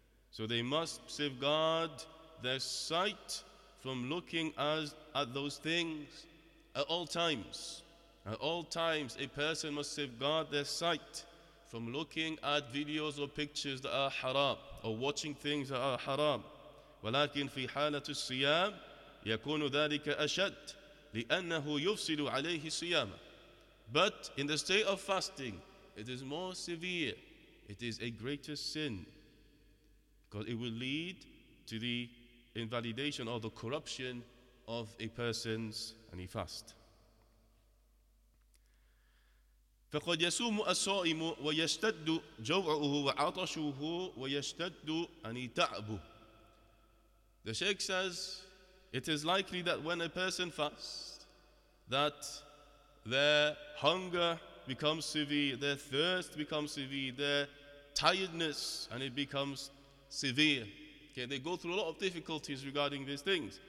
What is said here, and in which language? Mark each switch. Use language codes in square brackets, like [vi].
[en] So they must safeguard their sight from looking at those things at all times. At all times, a person must safeguard their sight from looking at videos or pictures that are haram, or watching things that are haram. [ar] ولكن في حالة الصيام يكون ذلك أشد لأنه يفسد عليه الصيام. [en] But in the state of fasting, it is more severe. It is a greater sin, because it will lead to the invalidation or the corruption of a person's any fast. [ar] فقد يصوم الصائم ويشتد جوعه وعطشه ويشتد أني تعبه. [en] The Sheikh says, it is likely that when a person fasts, that their hunger becomes severe, their thirst becomes severe, their tiredness, and it becomes severe. Okay, they go through a lot of difficulties regarding these things.